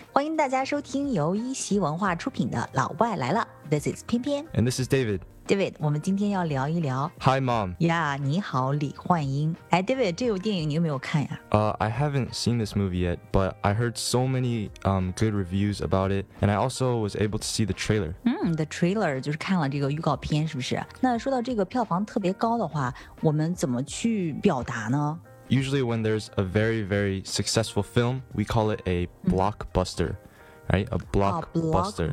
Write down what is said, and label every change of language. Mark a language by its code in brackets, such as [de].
[zh] 欢迎大家收听由一席文化出品的《老外来了》。 [en] This is 翩翩。 And this is David. [zh] David, 我们今天要聊一聊。 [en] Hi, Mom. [zh] Yeah, 你好，李焕英。哎 ,David, 这部电影你有没有看呀、 [en] I haven't seen this movie yet, but I heard so many、good reviews about it, and I also was able to see the trailer. [zh] The trailer 就是看了这个预告片，是不是？那说到这个票房特别高的话，我们怎么去表达呢？ [en] Usually when there's a very, very successful film, we call it a blockbuster,、right? A blockbuster.